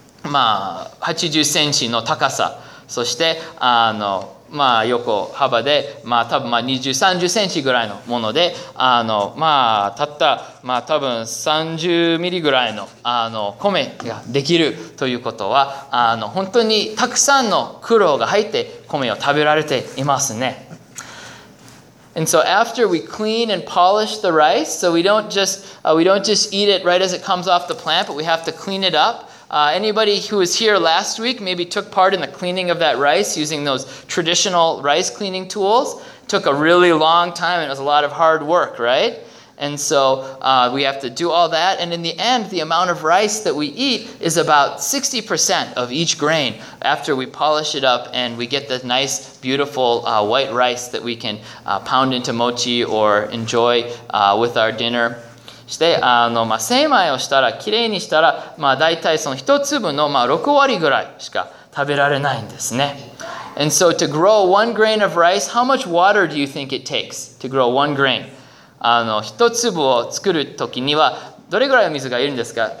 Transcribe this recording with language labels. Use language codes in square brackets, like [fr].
[ja] まあ、80センチの高さ、そして、あの、まあ、横幅で、まあ、多分、まあ、20、30センチぐらいのもので、あの、まあ、たった、まあ、多分、30ミリぐらいの、あの、米ができるということは、あの、本当にたくさんの苦労が入って、米を食べられていますね。 [en] And so after we clean and polish the rice, so we don't just eat it right as it comes off the plant, but we have to clean it up. Anybody who was here last week maybe took part in the cleaning of that rice using those traditional rice cleaning tools. It took a really long time and it was a lot of hard work, right? And so we have to do all that. And in the end, the amount of rice that we eat is about 60% of each grain after we polish it up and we get the nice, beautiful white rice that we can pound into mochi or enjoy with our dinner. [ja] して、あの、まあ、精米をしたら、きれいにしたら、まあ、大体その一粒の、まあ、6割ぐらいしか食べられないんですね。 [en] And so to grow one grain of rice, how much water do you think it takes to grow one grain? [ja] あの、一粒を作るときには、どれぐらいの水がいるんですか?